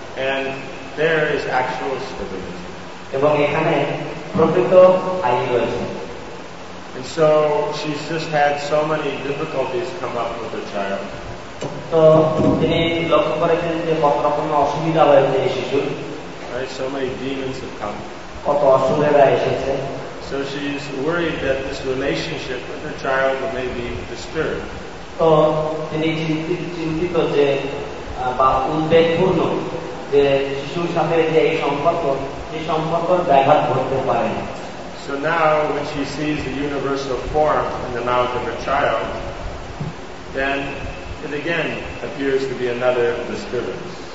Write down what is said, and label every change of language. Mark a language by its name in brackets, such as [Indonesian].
[English] And there is actual stability. [Bangla] এবং এখানে প্রকৃত স্থায়ী রয়েছে। [English] And so she's just had so many difficulties come up with her child. [Bangla] তো তিনি লক্ষ্য করেছেন যে কত রকম অসুবিধা হয়েছে এই শিশুর। [English] Right, so many demons have come. [Bangla] কত অসুবিধা এসেছে। [English] So she's worried that this relationship with her child may be disturbed. [Bangla] তো তিনি চিন্তিত যে বা উদ্বেগপূর্ণ যে শিশুর সাথে যে এই সম্পর্ক এই সম্পর্কের ব্যাঘাত ঘটতে পারে। [English] So now when she sees the universal form in the mouth of her child, then it again appears to be another disturbance.